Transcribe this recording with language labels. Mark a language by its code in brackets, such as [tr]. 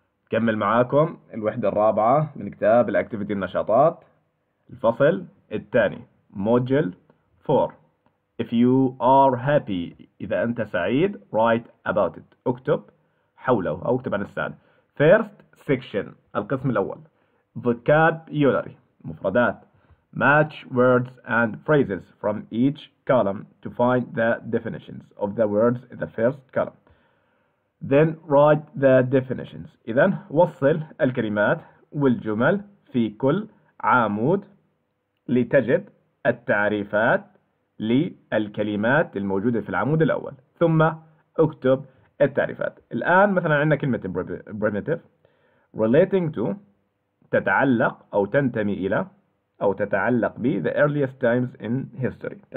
[ar] كمل معاكم الوحدة الرابعة من كتاب الأكتيفيتي النشاطات، الفصل الثاني، موديل 4. [en] If you are happy، [ar] إذا أنت سعيد، [en] write about it، [ar] اكتب حوله أو اكتب عن السعادة. [en] First section، [ar] القسم الأول، [en] vocabulary، مفردات. Match words and phrases from each column to find the definitions of the words in the first column. Then write the definitions. [ar] إذا وصل الكلمات والجمل في كل عمود لتجد التعريفات للكلمات الموجودة في العمود الأول، ثم اكتب التعريفات. الآن مثلا عندنا كلمة primitive، [en] relating to، [ar] تتعلق أو تنتمي إلى أو تتعلق ب، [en] the earliest times in history.